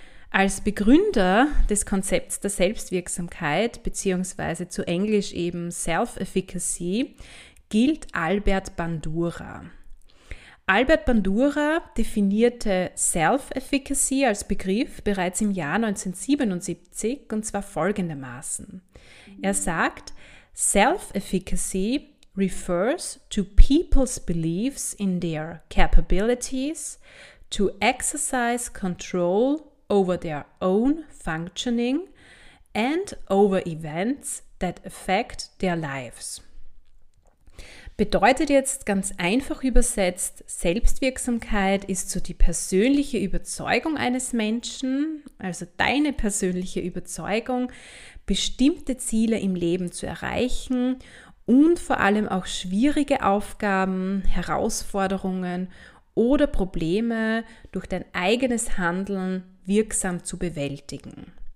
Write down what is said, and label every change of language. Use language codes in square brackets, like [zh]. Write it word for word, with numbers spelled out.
[de] Als Begründer des Konzepts der Selbstwirksamkeit, beziehungsweise zu Englisch eben Self-Efficacy, gilt Albert Bandura. Albert Bandura definierte Self-Efficacy als Begriff bereits im Jahr neunzehnhundertsiebenundsiebzig und zwar folgendermaßen. Er sagt, [en] Self-Efficacy refers to people's beliefs in their capabilities to exercise control over their own functioning and over events that affect their lives. [de] Bedeutet jetzt ganz einfach übersetzt, Selbstwirksamkeit ist so die persönliche Überzeugung eines Menschen, also deine persönliche Überzeugung, bestimmte Ziele im Leben zu erreichen und vor allem auch schwierige Aufgaben, Herausforderungen oder Probleme durch dein eigenes Handeln wirksam zu bewältigen.